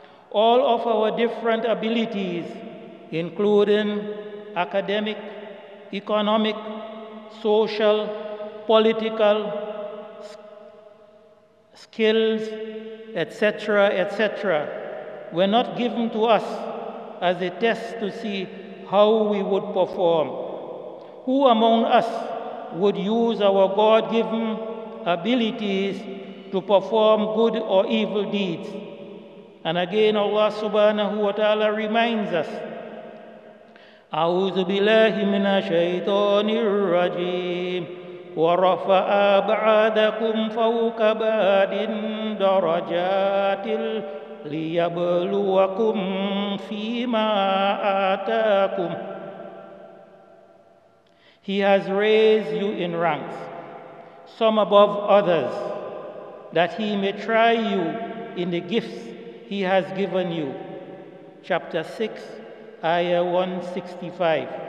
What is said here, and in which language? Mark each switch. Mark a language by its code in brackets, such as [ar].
[en] All of our different abilities, including academic, economic, social, political skills, etc., etc., were not given to us as a test to see how we would perform. Who among us would use our God-given abilities to perform good or evil deeds? And again, Allah subhanahu wa ta'ala reminds us, [ar] أَعُوذُ بِاللَّهِ مِنَ الشَّيْطَانِ الرَّجِيمِ وَرَفَعَ بَعْضَكُمْ فَوْقَ بَعْضٍ دَرَجَاتٍ لِيَبْلُوَكُمْ فِيمَا آتَاكُمْ. [en] He has raised you in ranks, some above others, that he may try you in the gifts he has given you. Chapter 6, ayah 165.